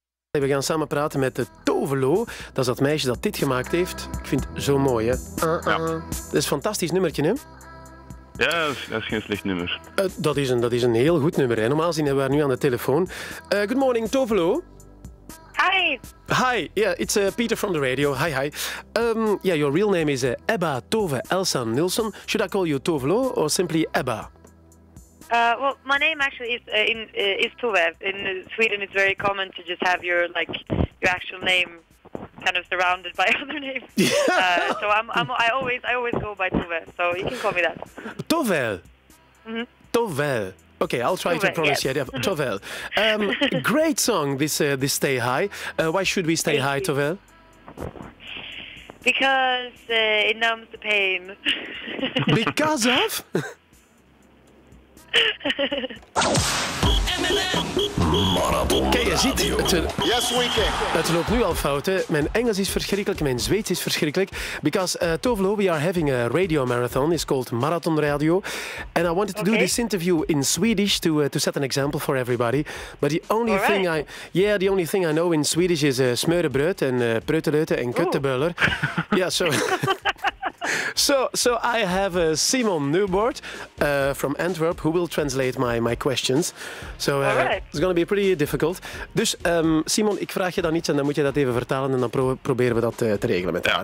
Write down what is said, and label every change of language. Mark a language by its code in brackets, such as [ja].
[nl] we gaan samen praten met de Tove Lo. Dat is dat meisje dat dit gemaakt heeft. Ik vind het zo mooi, hè? Dat is een fantastisch nummertje, hè? Ja, dat is geen slecht nummer. Dat is een heel goed nummer, hè. Normaal zien we haar nu aan de telefoon. [en] Good morning, Tove Lo. Hi. Yeah, it's Peter from the radio. Hi. Yeah, your real name is Ebba Tove Elsa Nilsson. Should I call you Tove Lo or simply Ebba? Well, my name actually is Tove. In Sweden, it's very common to just have your actual name kind of surrounded by other names. So I always go by Tove. So you can call me that. Tove. Mm-hmm. Tove. Okay, I'll try to pronounce it. Yes. Tove. great song, this Stay High. Why should we stay high, Tove? Because it numbs the pain. Because of? [nl] Kijk, je ziet... [en] Yes, we can. [nl] Het loopt nu al fout, hè. Mijn Engels is verschrikkelijk, mijn Zweeds is verschrikkelijk. [en] Because, Tove Lo, we are having a radio marathon. It's called Marathonradio. And I wanted to do this interview in Swedish to set an example for everybody. But the only the only thing I know in Swedish is smørrebrød and preuteleute and kuttebuller. Yeah, so... So I have Simon Newbord from Antwerp who will translate my questions. So it's going to be pretty difficult. [nl] Dus Simon, ik vraag je dan iets en dan moet je dat even vertalen en dan proberen we dat te regelen met haar.